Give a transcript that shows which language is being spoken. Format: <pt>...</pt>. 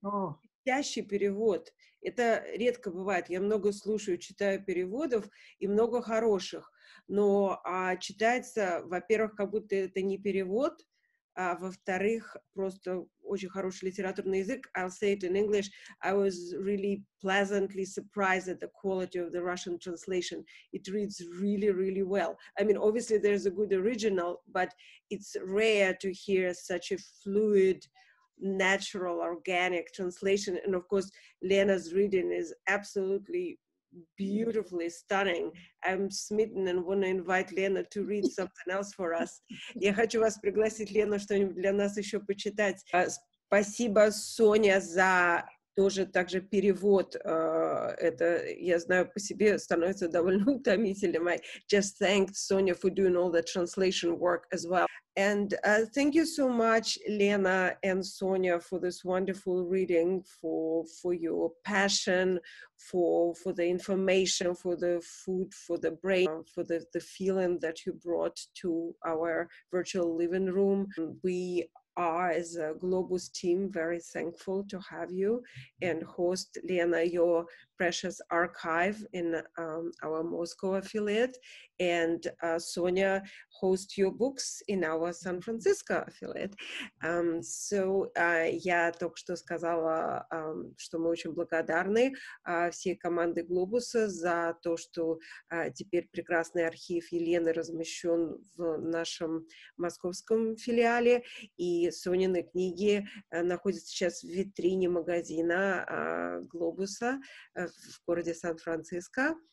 <ru>Блестящий перевод. Это редко бывает. Я много слушаю, читаю переводов и много хороших. Но читается, во-первых, как будто это не перевод, а во-вторых, просто очень хороший литературный язык.</ru> <en>I'll say it in English. I was really pleasantly surprised at the quality of the Russian translation. It reads really, really well. I mean, obviously there's a good original, but it's rare to hear such a fluid, natural, organic translation. And of course, Lena's reading is absolutely beautifully stunning. I'm smitten and want to invite Lena to read something else for us.</en> <ru>Я хочу вас пригласить, Лена, что-нибудь для нас еще почитать. Спасибо, Соня, за тоже также перевод. Это, я знаю, по себе становится довольно утомительным.</ru> <en>I just thanked Sonia for doing all the translation work as well. And thank you so much, Lena and Sonia, for this wonderful reading, for your passion, for the information, for the food, for the brain, for the feeling that you brought to our virtual living room. We are, as a Globus team, very thankful to have you and host, Lena, your precious archive in our Moscow affiliate, and Sonia, host your books in our San Francisco affiliate.</en> <ru>Я только что сказала, что мы очень благодарны всей команде Глобуса за то, что теперь прекрасный архив Елены размещен в нашем московском филиале, и Сонины книги находятся сейчас в витрине магазина Глобуса в городе Сан-Франциско.</ru>